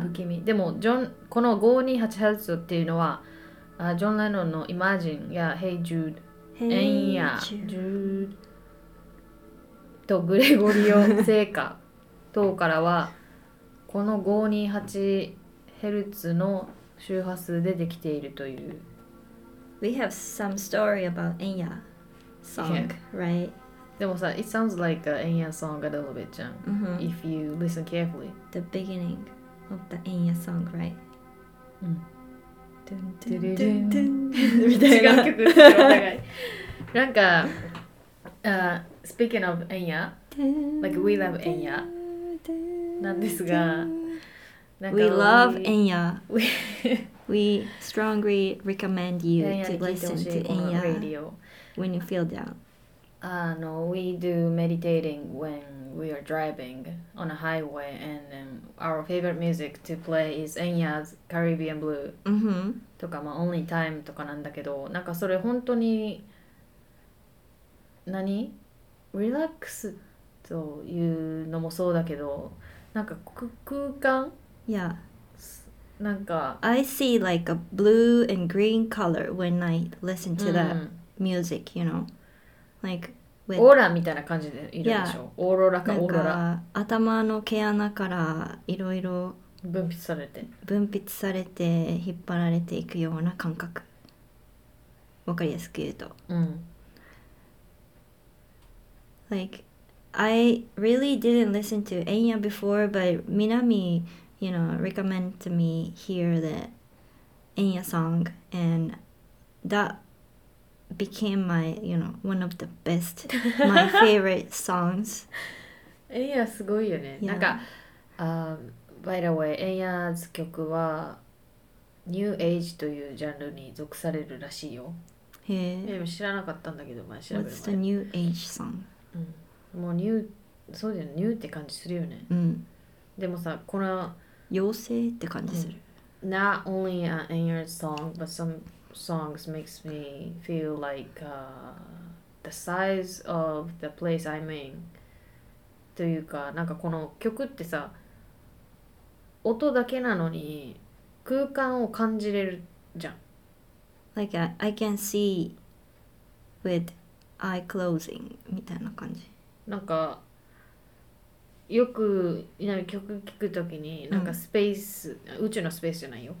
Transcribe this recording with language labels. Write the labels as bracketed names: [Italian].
[Japanese] 不気味。でもジョンこの 528Hz っていうのはジョン・レノンの Imagine や Hey Jude [English] Hey Jude [Japanese] とグレゴリオ聖歌等からはこの 528Hz の周波数でできているという。 [English] We have some story about Enya song、yeah. right? [Japanese] でもさ、 [English] It sounds like an Enya song a little bit [Japanese] じゃん、 mm-hmm. [English] if you listen carefully. The beginning of the Enya song, right? [Japanese] うん、違う曲ですよ、お互い。なんか、 [English] speaking of Enya, like we love Enya, [Japanese] なんですが、 [English] We love Enya. We strongly recommend you to listen to Enya when you feel down. No, we do meditating when we are driving on a highway, and then our favorite music to play is Enya's Caribbean Blue. Mm-hmm. [Japanese] とか、まあ、Only Time とかなんだけど、なんかそれ本当に何リラックスというのもそうだけど、なんか空間、いや、なんか [English] I see like a blue and green color when I listen to that music, you know, like with... [Japanese] オーラみたいな感じでいるでしょ、オーロラか、オーロラ、なんか頭の毛穴からいろいろ分泌されて、分泌されて引っ張られていくような感覚、わかりやすく言うと、うん、 [English] Like I really didn't listen to Enya before, but Minami, you know, recommend to me hear the Enya song, and that became my, you know, one of the best, my favorite songs. [Japanese] Enya すごいよね。 [English] Yeah. [Japanese] なんか、 [English] By the way, [Japanese] Enya's 曲は New Age というジャンルに属されるらしいよ。へえ。でも知らなかったんだけど、前調べる前。 [English] What's the New Age song? [Japanese] うん。もうニュー、そうだよね、ニューって感じするよね。うん。でもさ、この妖精って感じする。うん、 [English] Not only an Enya's song, but some songs makes me feel like、the size of the place I'm in. [Japanese] というか、なんかこの曲ってさ、音だけなのに空間を感じれるじゃん。 [English] Like I can see with eye closing [Japanese] みたいな感じ。なんかよく曲聞くときに、うん、なんかスペース、宇宙のスペースじゃないよ、